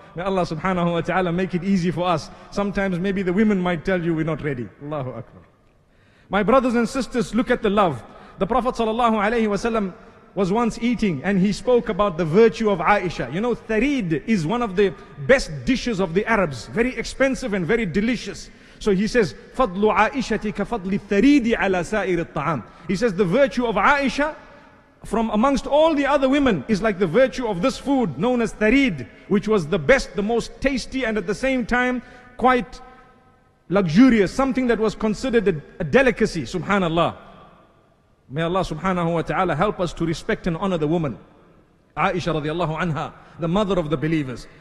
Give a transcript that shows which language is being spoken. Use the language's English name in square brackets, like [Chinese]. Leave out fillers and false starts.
[English] May Allah subhanahu wa ta'ala make it easy for us. Sometimes maybe the women might tell you we're not ready. Allahu Akbar. My brothers and sisters, look at the love. The Prophet sallallahu alayhi wa sallam was once eating and he spoke about the virtue of Aisha. You know, thareed is one of the best dishes of the Arabs. Very expensive and very delicious. So he says, [Arabic] فَضْلُ عَائِشَتِكَ فَضْلِ الثَّرِيدِ عَلَى سَائِرِ الطَّعَامِ. [English] He says, the virtue of Aisha from amongst all the other women is like the virtue of this food known as thareed, which was the best, the most tasty, and at the same time, quite luxurious. Something that was considered a delicacy, subhanallah. May Allah subhanahu wa ta'ala help us to respect and honor the woman, Aisha radiallahu anha, the mother of the believers.